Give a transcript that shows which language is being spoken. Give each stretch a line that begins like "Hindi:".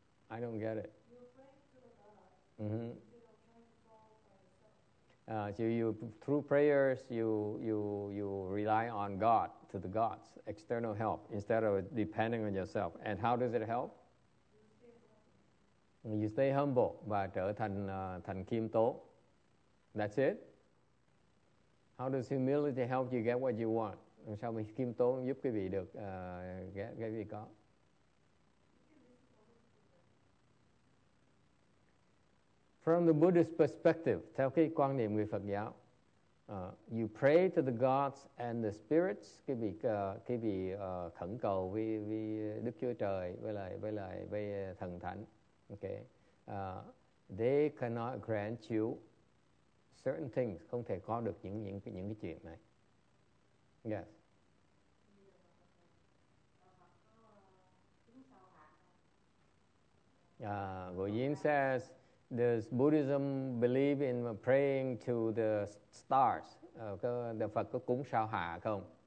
English: I don't get it. Mm-hmm. So you through prayers you rely on God, to the gods, external help, instead of depending on yourself. And how does it help? You stay humble
Vietnamese: và trở thành thành khiêm tốn.
English: That's it. How does humility help you get what you want?
Vietnamese: Sao mình khiêm tốn giúp quý vị được cái gì có?
English: From the Buddhist perspective,
Vietnamese: theo cái quan điểm người Phật giáo,
English: you pray to the gods and the spirits,
Vietnamese: cái vị khẩn cầu với Đức Chúa Trời với thần thánh. Okay.
English: They cannot grant you certain things,
Vietnamese: không thể có được những cái chuyện này.
English: Yes. Guyin says, does Buddhism believe in praying to the stars?
Vietnamese: Đạo Phật có cúng sao hạ không?